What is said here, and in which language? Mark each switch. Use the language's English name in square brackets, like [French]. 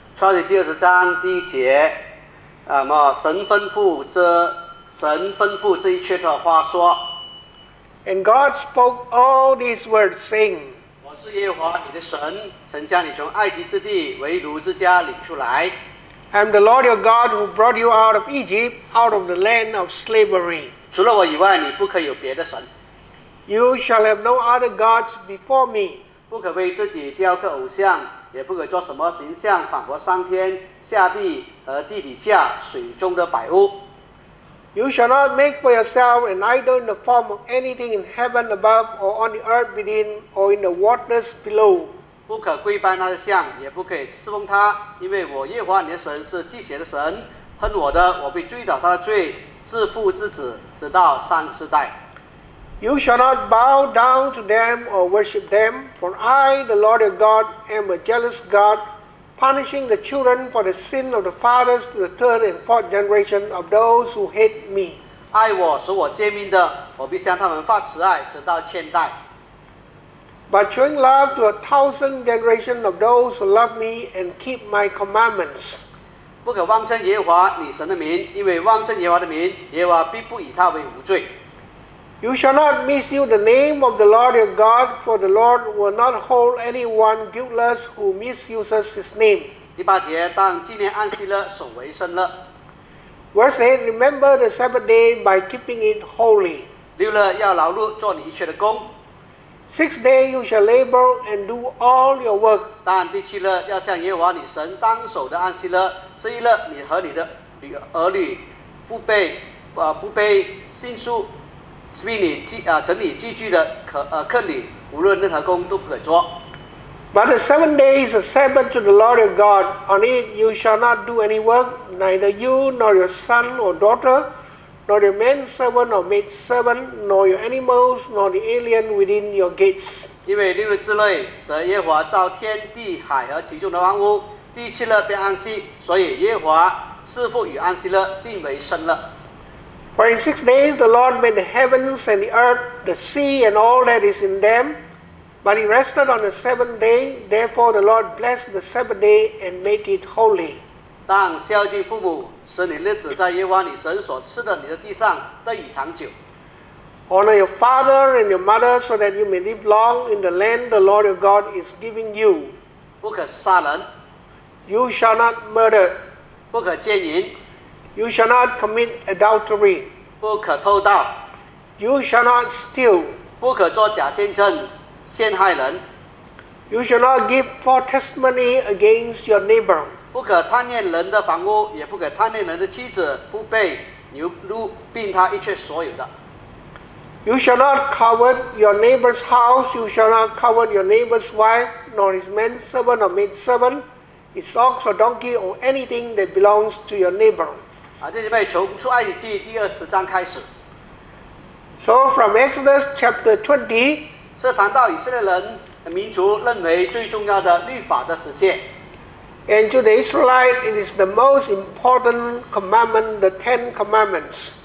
[Chinese] 出埃及记20:1，神吩咐这一阙的话说。 [English] And God spoke all these words, saying, [Chinese] 我是耶和华你的神，曾将你从埃及之地为奴之家领出来。 [English] I am the Lord your God who brought you out of Egypt, out of the land of slavery. [Chinese] 除了我以外，你不可有别的神。 [English] You shall have no other gods before me. [Chinese] 不可为自己雕刻偶像，也不可做什么形象，仿佛上天、下地和地底下、水中的百物。 [English] You shall not make for yourself an idol in the form of anything in heaven above, or on the earth within, or in the waters below. [Chinese] 不可跪拜那些像，也不可以侍奉他，因为我耶和华你的神是祭邪的神，恨我的，我必追讨他的罪，自父至子，直到三世代。 [English] You shall not bow down to them or worship them, for I, the Lord your God, am a jealous God, punishing the children for the sin of the fathers to the third and fourth generation of those who hate me. [Chinese] 爱我使我诫命的，我必向他们发慈爱，直到千代。 [English] But showing love to 1,000 generations of those who love me and keep my commandments. [Chinese] 不可妄称耶和华你神的名，因为妄称耶和华的名，耶和华必不以他为无罪。 [English] You shall not misuse the name of the Lord your God, for the Lord will not hold anyone guiltless who misuses his name. [Chinese] 第八节，当纪念安息日，守为圣日。 [English] Verse 8, remember the Sabbath day by keeping it holy. [Chinese] 六日要劳碌做你一切的工。 [English] 6 days you shall labor and do all your work. [Chinese] 但第七日要向耶和华你神当守的安息日，这一日你和你的儿女、父辈、亲属，城里寄居的客旅，无论任何工都不可做。 [English] But the 7 days is a Sabbath to the Lord your God. On it you shall not do any work, neither you nor your son or daughter. Nor your manservant or maidservant, nor your animals, nor the alien within your gates. [Chinese] 因为六日之内，神耶和华造天地海和其中的万物，第七日便安息，所以耶和华赐福与安息日定为圣日。 [English] For in 6 days the Lord made the heavens and the earth, the sea and all that is in them, but he rested on the 7th day. Therefore the Lord blessed the 7th day and made it holy. [Chinese] 当孝敬父母。使你日子在耶和华你神所赐的你的地上得以长久。 [English] Honor your father and your mother so that you may live long in the land the Lord your God is giving you. [Chinese] 不可杀人。 [English] You shall not murder. [Chinese] 不可奸淫。 [English] You shall not commit adultery. [Chinese] 不可偷盗。 [English] You shall not steal. [Chinese] 不可做假见证，陷害人。 [English] You shall not give false testimony against your neighbor. [Chinese] 不可贪恋人的房屋，也不可贪恋人的妻子、父辈、牛鹿，并他一切所有的。 [English] You shall not covet your neighbor's house, you shall not covet your neighbor's wife, nor his manservant or maidservant, its ox or donkey or anything that belongs to your neighbor. [Chinese] 啊，弟兄们，从出埃及记第二十章开始。 [English] So from Exodus chapter 20, [Chinese] 是谈到以色列人民族认为最重要的律法的实践。 [English] And to the Israelite, it is the most important commandment, the Ten Commandments.